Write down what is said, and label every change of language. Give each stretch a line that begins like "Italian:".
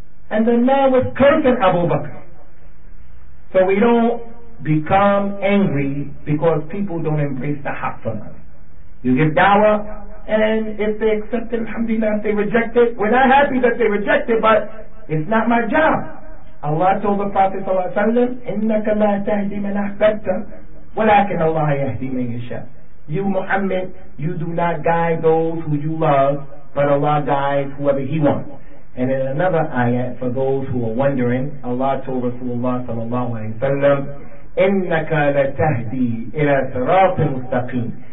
English: And the man was cursing Abu Bakr. So we don't become angry because people don't embrace the haqq from us. You give da'wah, and if they accept it, alhamdulillah, if they reject it, we're not happy that they reject it, but it's not my job. Allah told the Prophet
Arabic: sallallahu alaihi wasallam, إِنَّكَ لَا تَهْدِي مَنْ أَحْبَبْتَ وَلَكِنَ اللَّهَ يَهْدِي مَنْ يَشَاءُ.
English: You, Muhammad, you do not guide those who you love, but Allah guides whoever He wants. And in another ayah, for those who are wondering, Allah told Rasulullah sallallahu alaihi wasallam,
Arabic: إِنَّكَ لَتَهْدِي إِلَى صِرَاطٍ مُسْتَقِيمٍ.